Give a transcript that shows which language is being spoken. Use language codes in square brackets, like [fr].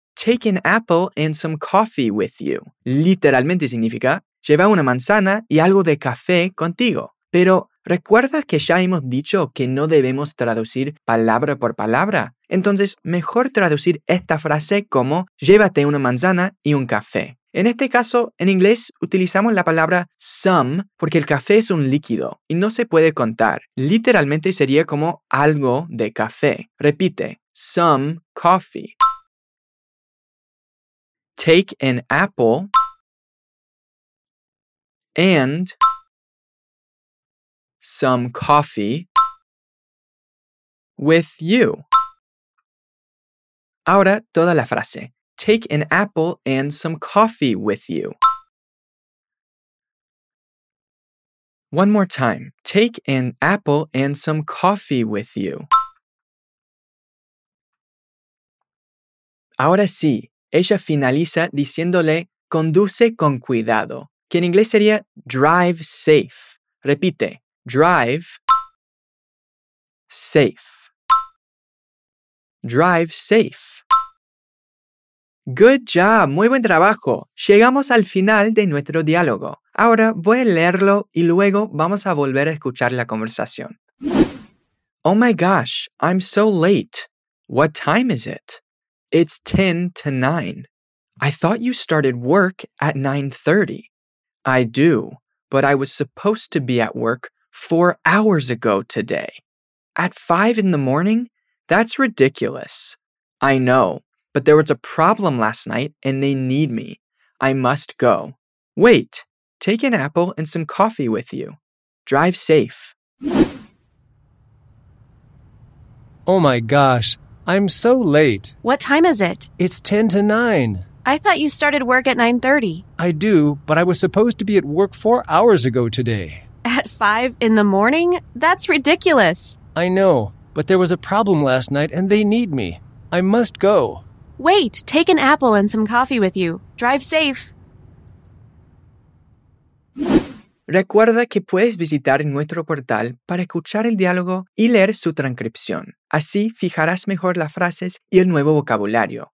[en] Take an apple and some coffee with you. [es] Literalmente significa, lleva una manzana y algo de café contigo. Pero, ¿recuerdas que ya hemos dicho que no debemos traducir palabra por palabra? Entonces, mejor traducir esta frase como, llévate una manzana y un café. En este caso, en inglés, utilizamos la palabra some porque el café es un líquido y no se puede contar. Literalmente sería como algo de café. Repite, [en] some coffee. Take an apple and some coffee with you. [es] Ahora, toda la frase. [en] Take an apple and some coffee with you. One more time. Take an apple and some coffee with you. [es] Ahora sí, ella finaliza diciéndole, conduce con cuidado, que en inglés sería [en] drive safe. [es] Repite, [en] drive safe. Drive safe. Good job, [es] muy buen trabajo. Llegamos al final de nuestro diálogo. Ahora voy a leerlo y luego vamos a volver a escuchar la conversación. [en] Oh my gosh, I'm so late. What time is it? It's 10 to 9. I thought you started work at 9:30. I do, but I was supposed to be at work 4 hours ago today. At 5 in the morning? That's ridiculous. I know, but there was a problem last night and they need me. I must go. Wait, take an apple and some coffee with you. Drive safe. Oh my gosh, I'm so late. What time is it? It's 10 to 9. I thought you started work at 9:30. I do, but I was supposed to be at work 4 hours ago today. At 5 in the morning? That's ridiculous. I know, but there was a problem last night and they need me. I must go. Wait, take an apple and some coffee with you. Drive safe. [es] Recuerda que puedes visitar nuestro portal para escuchar el diálogo y leer su transcripción. Así fijarás mejor las frases y el nuevo vocabulario.